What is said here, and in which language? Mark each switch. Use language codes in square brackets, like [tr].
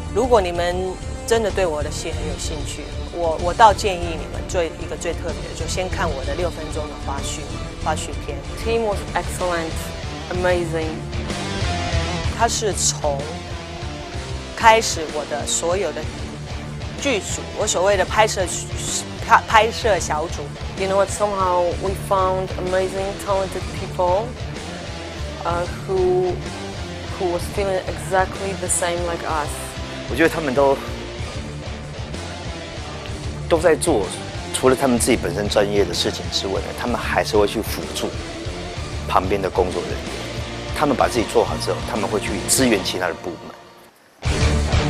[zh] 如果你们真的对我的戏很有兴趣，我倒建议你们做一个最特别的，就先看我的六分钟的花絮片。 [en] Team was excellent. Amazing. [zh] 他是从开始我的所有的剧组，我所谓的拍摄小组。 [en] You know what? Somehow we found amazing, talented people, who was feeling exactly the same like us. [zh] 我觉得他们都在做，除了他们自己本身专业的事情之外，他们还是会去辅助旁边的工作人员。他们把自己做好之后，他们会去支援其他的部门。